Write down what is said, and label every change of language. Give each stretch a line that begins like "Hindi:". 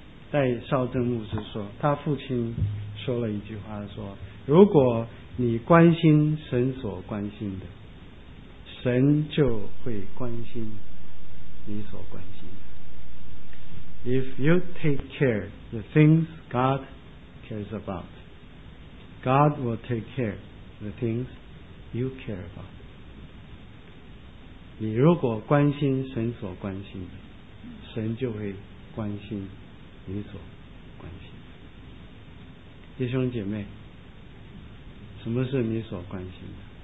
Chinese: 戴绍珍牧师说，他父亲说了一句话，说如果你关心神所关心的，神就会关心你所关心的。
English: If you take care the things God cares about, God will take care the things you care about.
Chinese: 你如果关心神所关心的，神就会关心你所关心的。弟兄姐妹，什么是你所关心的？